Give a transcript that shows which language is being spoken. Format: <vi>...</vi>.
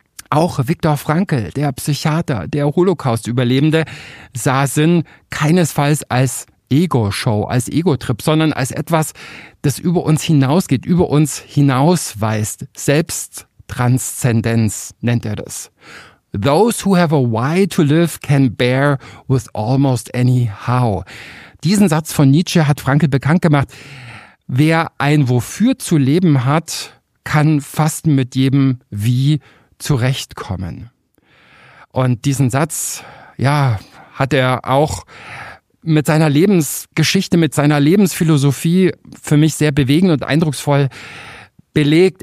<de>Auch Viktor Frankl, der Psychiater, der Holocaust-Überlebende, sah Sinn keinesfalls als Ego-Show, als Ego-Trip, sondern als etwas, das über uns hinausgeht, über uns hinausweist. Selbsttranszendenz nennt er das.</de> <en>Those who have a why to live can bear with almost any how.</en> <de>Diesen Satz von Nietzsche hat Frankl bekannt gemacht. Wer ein Wofür zu leben hat, kann fast mit jedem Wie zurechtkommen. Und diesen Satz, ja, hat er auch mit seiner Lebensgeschichte, mit seiner Lebensphilosophie für mich sehr bewegend und eindrucksvoll belegt.</de>